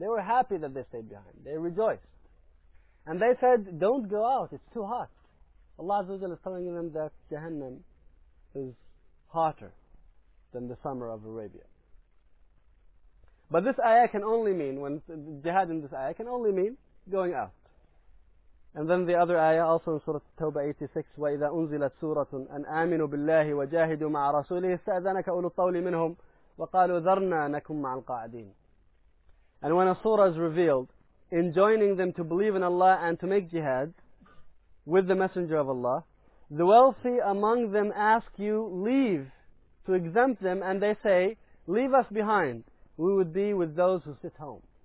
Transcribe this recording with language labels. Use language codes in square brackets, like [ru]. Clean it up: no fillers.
[en] They were happy that they stayed behind. They rejoiced. And they said, don't go out, it's too hot. Allah Azza wa Jalla is telling them that Jahannam is hotter than the summer of Arabia. But this ayah can only mean, when jihad in this ayah can only mean going out. And then the other ayah also in Surah Tawbah 86, [ar] وَإِذَا أُنزِلَتْ سُورَةٌ أَنْ آمِنُوا بِاللَّهِ وَجَاهِدُوا مَعَ رَسُولِهِ اسْتَأْذَنَكَ أُولُو الطَّوْلِ مِنْهُمْ وَقَالُوا ذَرْنَا نَكُمْ مَعَ الْقَاعِدِينَ. [en] And when a surah is revealed, enjoining them to believe in Allah and to make jihad with the Messenger of Allah, the wealthy among them ask you leave to exempt them, and they say, leave us behind, we would be with those who sit home.